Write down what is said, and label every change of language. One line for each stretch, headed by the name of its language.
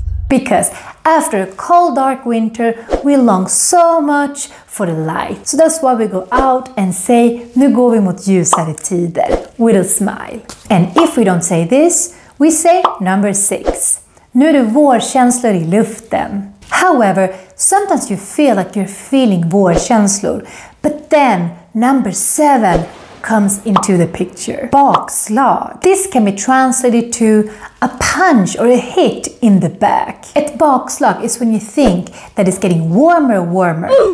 English: Because after a cold, dark winter, we long so much for the light. So that's why we go out and say,
Swedish: nu går vi mot ljusare tider,
English: with a smile. And if we don't say this, we say number 6.
Swedish: Nu är det vårkänslor i luften.
English: However, sometimes you feel like you're feeling vårkänslor. But then, number 7 comes into the picture. Bakslag. This can be translated to a punch or a hit in the back. Ett bakslag is when you think that it's getting warmer and warmer.